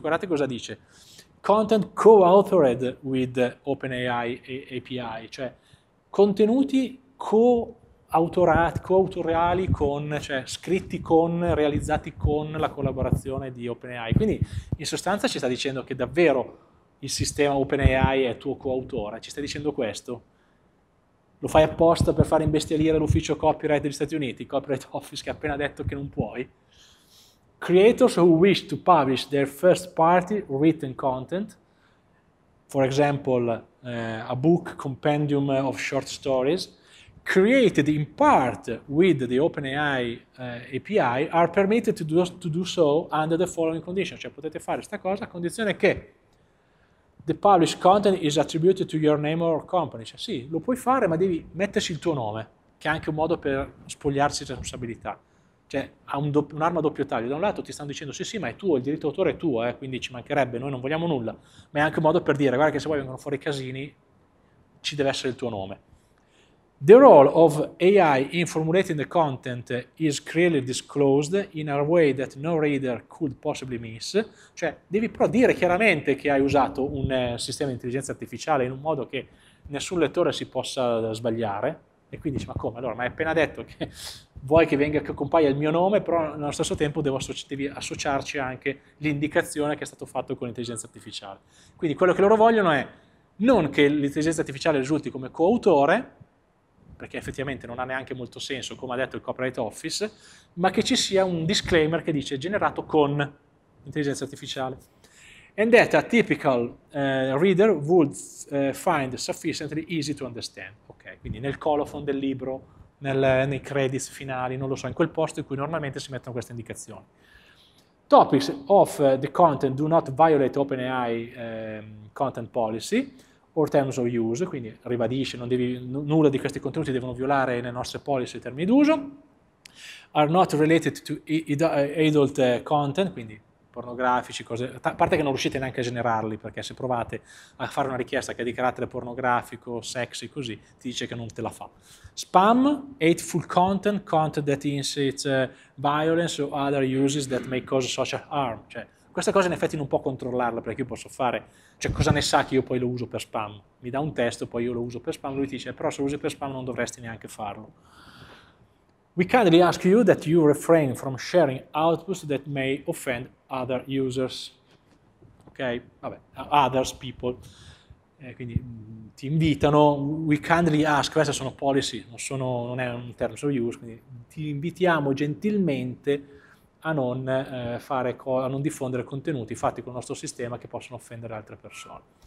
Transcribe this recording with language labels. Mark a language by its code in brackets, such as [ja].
[it] Guardate cosa dice. [en] Content co-authored with OpenAI API, [it] cioè contenuti coautoriali con, cioè scritti con, realizzati con la collaborazione di OpenAI. Quindi in sostanza ci sta dicendo che davvero il sistema OpenAI è tuo coautore, ci stai dicendo questo? Lo fai apposta per far imbestialire l'ufficio copyright degli Stati Uniti, Copyright Office, che ha appena detto che non puoi? [en] Creators who wish to publish their first party written content, for example, a book compendium of short stories, created in part with the OpenAI API, are permitted to do so under the following condition. [it] Cioè potete fare questa cosa a condizione che [en] the published content is attributed to your name or company. [it] Cioè sì, lo puoi fare, ma devi metterci il tuo nome, che è anche un modo per spogliarsi di responsabilità. Cioè ha un'arma a doppio taglio. Da un lato ti stanno dicendo sì, ma è tuo, il diritto d'autore è tuo, quindi ci mancherebbe, noi non vogliamo nulla, ma è anche un modo per dire, guarda che se poi vengono fuori casini, ci deve essere il tuo nome. [en] The role of AI in formulating the content is clearly disclosed in a way that no reader could possibly miss. [it] Cioè, devi però dire chiaramente che hai usato un sistema di intelligenza artificiale in un modo che nessun lettore si possa sbagliare. E quindi dici, ma come? Allora, mi hai appena detto che vuoi che venga, che compaia il mio nome, però nello stesso tempo devi associarci anche l'indicazione che è stato fatto con l'intelligenza artificiale. Quindi quello che loro vogliono è non che l'intelligenza artificiale risulti come coautore, perché effettivamente non ha neanche molto senso, come ha detto il Copyright Office, ma che ci sia un disclaimer che dice generato con intelligenza artificiale. [en] And that a typical reader would find sufficiently easy to understand. [it] Ok, quindi nel colophon del libro, nei credits finali, non lo so, in quel posto in cui normalmente si mettono queste indicazioni. [en] Topics of the content do not violate OpenAI content policy or terms of use, [it] quindi ribadisce, nulla di questi contenuti devono violare le nostre policy e termini d'uso, [en] are not related to adult content, [it] quindi pornografici, cose, a parte che non riuscite neanche a generarli, perché se provate a fare una richiesta che è di carattere pornografico, sexy, così, ti dice che non te la fa. [en] Spam, hateful content, content that incites violence or other uses that may cause social harm, [it] cioè, questa cosa in effetti non può controllarla, perché io posso fare, cioè cosa ne sa che io poi lo uso per spam? Mi dà un testo, poi io lo uso per spam, lui dice, però se lo usi per spam non dovresti neanche farlo. [en] We kindly ask you that you refrain from sharing outputs that may offend other users. [it] Ok, vabbè, [en] others, people. [it] Quindi ti invitano, [en] we kindly ask, [it] queste sono policy, non è un terms of use, quindi ti invitiamo gentilmente a non a non diffondere contenuti fatti con il nostro sistema che possono offendere altre persone.